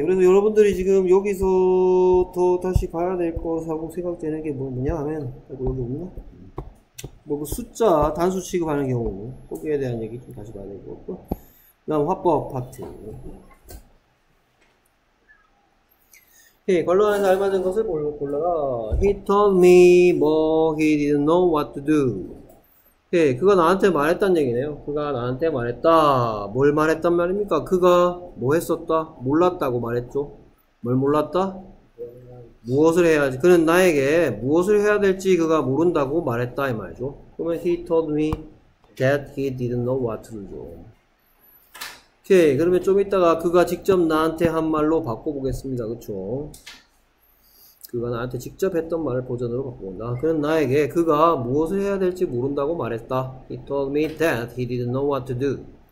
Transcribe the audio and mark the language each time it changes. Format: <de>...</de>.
<ko>그래서 여러분들이 지금 여기서 더 다시 봐야 될 것하고 생각되는 게 뭐냐 하면, 여기 없나? 뭐 그 숫자 단수 취급하는 경우 거기에 대한 얘기 좀 다시 봐야 될 것 같고, 그 다음 화법 파트. 오케이. 관로안에서 알맞은 것을 골라라.</ko> <en>He told me 뭐 he didn't know what to do.</en> <ko>오케이. 그가 나한테 말했단 얘기네요. 그가 나한테 말했다. 뭘 말했단 말입니까? 그가 뭐 했었다? 몰랐다고 말했죠. 뭘 몰랐다? 무엇을 해야지. 그는 나에게 무엇을 해야 될지 그가 모른다고 말했다 이 말이죠. 그러면</ko> <en>he told me that he didn't know what to do.</en> <ko>오케이. 그러면 좀 이따가 그가 직접 나한테 한 말로 바꿔보겠습니다. 그쵸? 그가 나한테 직접 했던 말을 버전으로 바꿔본다. 그는 나에게 그가 무엇을 해야 될지 모른다고 말했다.</ko> <en>He told me that he didn't know what to do.</en>